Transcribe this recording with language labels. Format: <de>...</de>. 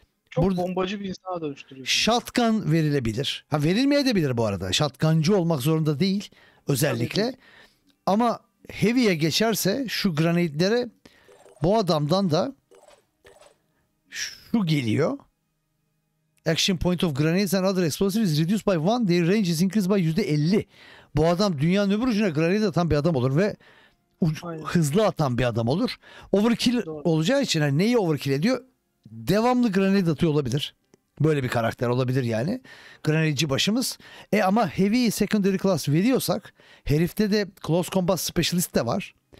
<tr>çok burada bombacı bir insana dönüştürüyor. Shotgun verilebilir. Ha verilmeyebilir bu arada. Shotguncu olmak zorunda değil özellikle. Tabii. Ama heavy'ye geçerse şu grenade'lere bu adamdan da şu geliyor.</tr> <en>Action point of grenades and other explosives reduced by one. Their range is increased by %50.</en> <tr>Bu adam dünyanın öbür ucuna grenade atan bir adam olur ve hızlı atan bir adam olur. Overkill doğru olacağı için hani neyi overkill ediyor? Devamlı granit atıyor olabilir. Böyle bir karakter olabilir yani. Granitci başımız. Ama heavy secondary class veriyorsak herifte de close combat specialist de var.</tr>